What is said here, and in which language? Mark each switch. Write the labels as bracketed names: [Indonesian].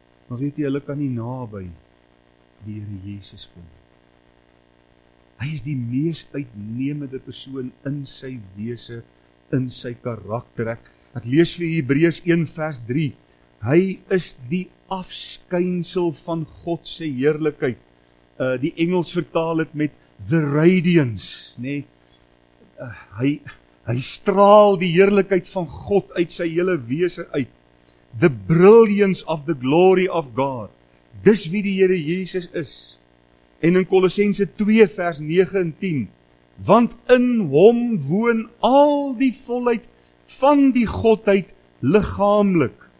[Afrikaans] Maar weet jy, hulle kan nie naby die Here Jesus kom. Hy is die mees uitnemende persoon in sy wese, in sy karakter. Ek lees vir Hebreërs 1 vers 3. Hy is die afskynsel van God se heerlikheid. Die Engels vertaal het met [English] the radiance, [Afrikaans] nê? Hy straal die heerlikheid van God uit sy hele wese uit. [English] The brilliance of the glory of God. [Afrikaans] Dis wie die Here Jesus is. En in Kolossense 2 vers 9 en 10. Want in hom woon al die volheid van die Godheid liggaamlik.